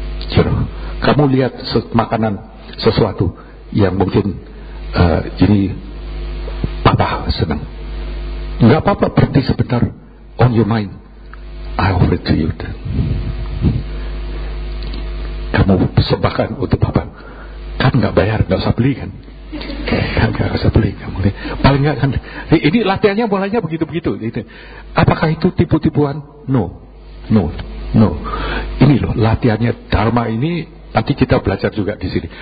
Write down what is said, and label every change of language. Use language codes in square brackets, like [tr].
[en] You know, [id] kamu lihat makanan sesuatu yang mungkin ini papa seneng. Gak apa-apa, berhenti sebentar, [en] on your mind, I offer it to you. [id] Kamu sembahkan untuk papa. Kan gak bayar, gak usah beli kan. Enggak usah beli, enggak boleh. Paling enggak kan ini latihannya bolanya begitu-begitu. Itu. Apakah itu tipu-tipuan? [en] No. No. No. [id] Ini loh latihannya Dharma ini nanti kita belajar juga di sini.